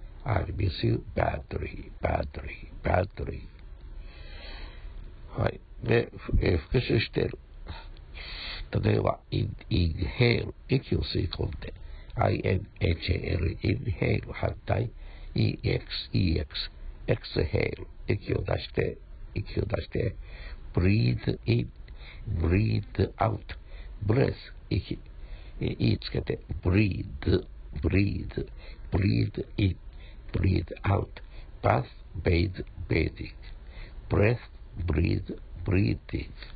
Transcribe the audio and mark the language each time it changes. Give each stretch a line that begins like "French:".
English: I miss you badly, badly, badly.
Japanese: はい。で、復習してる。例えば、inhale, 息を吸い込んで。
English: I-N-H-A-L, inhale,
Japanese: 反対。
English: E-X, E-X. Exhale,
Japanese: 息を出して、息を出して、
English: breathe in, breathe out, breath,
Japanese: 息、言いつけて、
English: breathe, breathe, breathe in, breathe out, bath, bathe, bathing, breath, breathe, breathing.